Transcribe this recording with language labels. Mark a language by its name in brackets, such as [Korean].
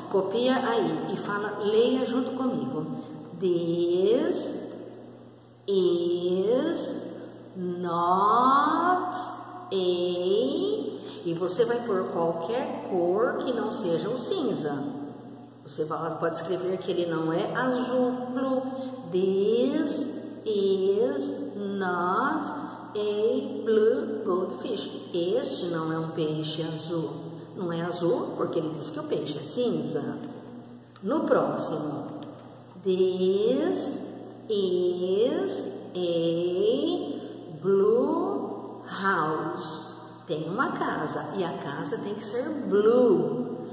[Portuguese] Copia aí e fala, leia junto comigo. [English] This is not a... [Portuguese] E você vai pôr qualquer cor que não seja o cinza. Você pode escrever que ele não é azul. [English] Blue. This is not a blue goldfish. [Portuguese] Este não é um peixe azul. Não é azul porque ele diz que o peixe é cinza. No próximo. [English] This is a blue house. [Portuguese] Tem uma casa e a casa tem que ser blue.